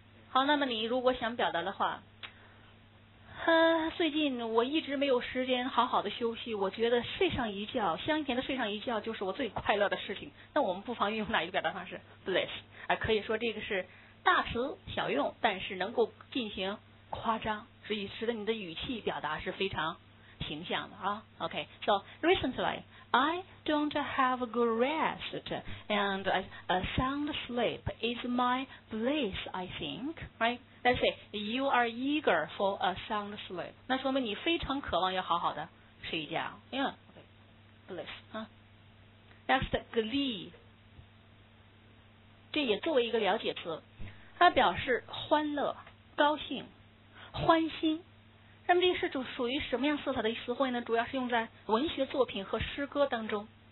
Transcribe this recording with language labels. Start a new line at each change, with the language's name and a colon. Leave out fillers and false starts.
Chinese: 好，那么你如果想表达的话。最近我一直没有时间好好的休息，我觉得睡上一觉，香甜的睡上一觉就是我最快乐的事情。那我们不妨运用哪一个表达方式 ？Bliss， 可以说这个是大词小用，但是能够进行夸张，所以使得你的语气表达是非常形象的啊。
English: OK， so recently I don't have a good rest and a sound sleep is my bliss, I think, right? Let's say, you are eager for a sound sleep.
Chinese: 那说明你非常渴望要好好的睡一觉。
English: Yeah, okay. Bliss.、Next, glee.
Chinese: 这也作为一个了解词，它表示欢乐、高兴、欢欣。那么这是属于什么样色彩的词汇呢？主要是用在文学作品和诗歌当中。